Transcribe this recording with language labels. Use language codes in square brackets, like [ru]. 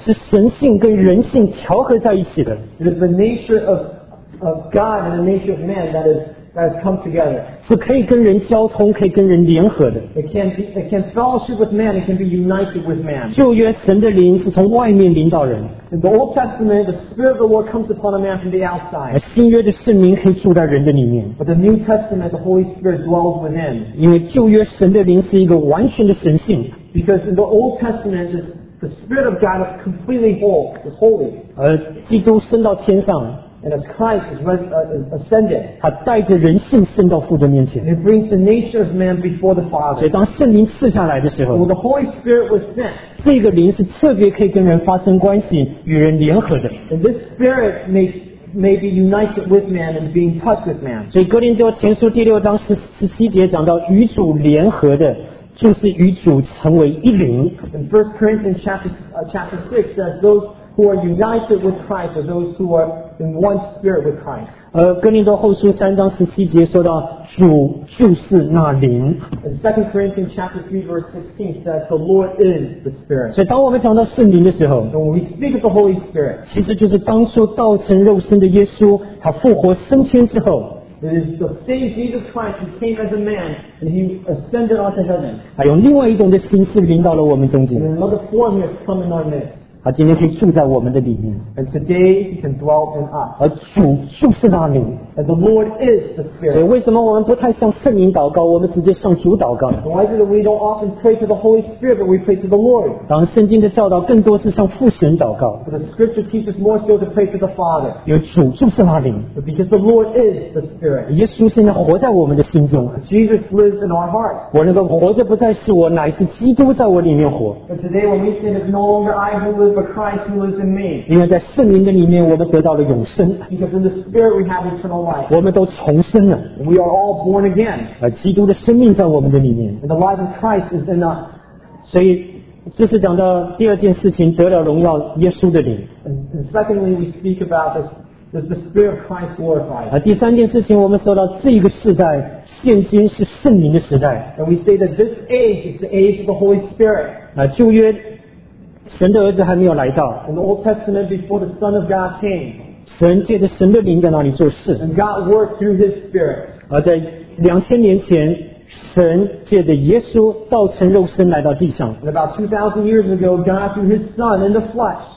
[zh] 是神性跟人性调和在一起的 [en] It is the nature of God and the nature of man that has come together [zh] 是可以跟人交通可以跟人联合的 [en] it can fellowship with man it can be united with man [zh] 旧约神的灵是从外面临到人 [en] in the Old Testament the Spirit of the Lord comes upon a man from the outside [zh] 新约的圣灵可以住在人的里面 [en] but the New Testament the Holy Spirit dwells within [zh] 因为旧约神的灵是一个完全的神性 [en] because in the Old Testament the Spirit of God is completely whole is holy [zh] 而基督升到天上 [en] And as Christ is ascended, [zh] 他带着人性升到父的面前。 [en] And it brings the nature of man before the Father. [zh] 所以当圣灵赐下来的时候 [en] When the Holy Spirit was sent, [zh] 这个灵是特别可以跟人发生关系与人联合的。 [en] And this Spirit may be united with man and being touched with man. [zh] 所以哥林多前书第六章十七节讲到与主联合的就是与主成为一灵。 [en] And 1 Corinthians chapter 6 says those who are united with Christ are those who are in one spirit with Christ. [zh] 哥林多后书三章十七节说到主就是那灵。 [en] And 2 Corinthians chapter 3 verse 16 says the Lord is the Spirit. [zh] 所以当我们讲到圣灵的时候 [en] when we speak of the Holy Spirit, [zh] 其实就是当初道成肉身的耶稣他复活升天之后 [en] it is the same Jesus Christ who came as a man and he ascended onto heaven. [zh] 他用另外一种的形式临到了我们中间。 [en] And another form has come in our midst. [zh] 他今天可以住在我们的里面 [en] and today he can dwell in us [zh] 而主就是那灵 [en] and the Lord is the Spirit [zh] 所以为什么我们不太向圣灵祷告我们直接向主祷告 [en] why is it that we don't often pray to the Holy Spirit but we pray to the Lord [zh] 当然圣经的教导更多是向父神祷告 [en] but the scripture teaches more so to pray to the Father [zh] 因为主就是那灵 [en] but because the Lord is the Spirit [zh] 耶稣现在活在我们的心中 [en] Jesus lives in our hearts [zh] 我那个活着不再是我乃是基督在我里面活 [en] and today when we say it's no longer I who live butChrist who is in me. [zh] 因为在圣灵的里面我们得到了永生 [en] Because in the Spirit we have eternal life. [zh] 我们都重生了 [en] We are all born again. [zh] 基督的生命在我们的里面 [en] And the life of Christ is in us. [zh] 所以这是讲到第二件事情得了荣耀耶稣的灵 [en] And secondly we speak about this is the Spirit of Christ glorified. [zh] 第三件事情我们说到这个世代现今是圣灵的时代 [en] And we say that this age is the age of the Holy Spirit. [zh] 旧约神的儿子还没有来到 [en] In the Old Testament before the Son of God came [zh] 神借着神的灵在那里做事 [en] And God worked through His Spirit [zh] 而在2000年前神借着耶稣道成肉身来到地上 [en] And about 2000 years ago God through His Son in the flesh